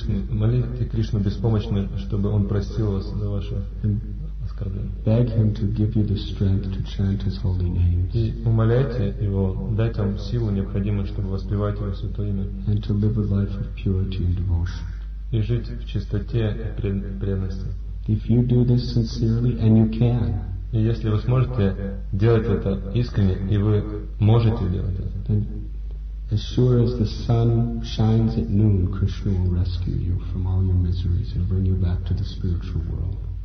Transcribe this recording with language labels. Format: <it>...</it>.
<ru>Молите Кришну беспомощно, чтобы Он простил вас за ваши оскорбления.</ru> <en>Beg Him to give you the strength to chant His holy names.</en> <ru>И умоляйте Его дать вам силу, необходимую, чтобы воспевать Его святое имя.</ru> <en>And to live a life of purity and devotion.</en> <ru>И жить в чистоте и преданности.</ru> <en>If you do this sincerely, and you can,</en> <ru>и если вы сможете делать это искренне, и вы можете делать это,</ru> <en>then as sure as the sun shines at noon, Krishna will rescue you from all your miseries and bring you back to the spiritual world.</en>